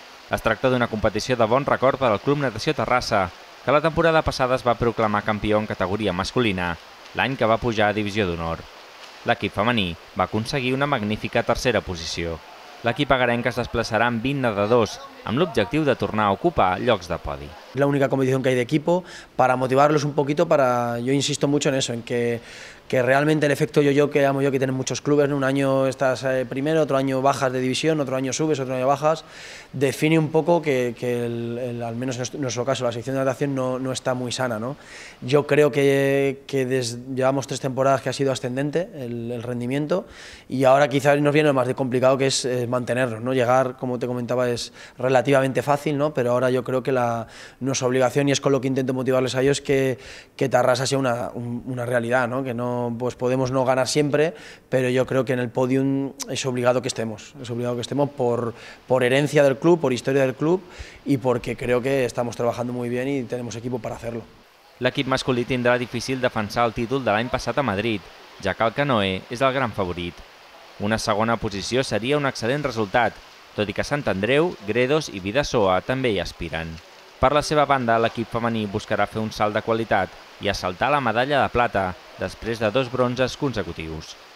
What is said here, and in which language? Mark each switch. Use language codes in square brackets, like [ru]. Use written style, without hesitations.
[ca] Es tracta d'una competició de bon record per al Club Natació Terrassa, que la temporada passada es va proclamar campió en categoria masculina, l'any que va pujar a divisió d'honor. L'equip femení va aconseguir una magnífica tercera posició. L'equip agarenc es desplaçarà amb 20 nedadors, amb l'objectiu de tornar a ocupar llocs de podi. [es] La única competición que hay de equipo para motivarlos un poquito, para, yo insisto mucho en eso, en que realmente el efecto yo-yo que llamo yo, que tienen muchos clubes, ¿no? Un año estás primero, otro año bajas de división, otro año subes, otro año bajas, define un poco que al menos en nuestro caso la sección de natación no está muy sana, ¿no? Yo creo que llevamos 3 temporadas que ha sido ascendente el rendimiento y ahora quizás nos viene lo más complicado, que es mantenerlo, ¿no? Llegar, como te comentaba, es relativamente fácil, ¿no? Pero ahora yo creo que nuestra obligación, y es con lo que intento motivarles a ellos, que Terrassa sea una realidad, ¿no? Que no, pues podemos no ganar siempre, pero yo creo que en el podium es obligado que estemos. Es obligado que estemos por herencia del club, por historia del club, y porque creo que estamos trabajando muy bien y tenemos equipo para hacerlo. [ca] L'equip masculí tindrà difícil defensar el títol de l'any passat a Madrid, ja que el Canoe és el gran favorit. Una segona posició seria un excel·lent resultat, tot i que Sant Andreu, Gredos i Bidasoa també hi aspiren. Per la seva banda, l'equip femení buscarà fer un salt de qualitat i assaltar la medalla de plata després de dos bronzes consecutius.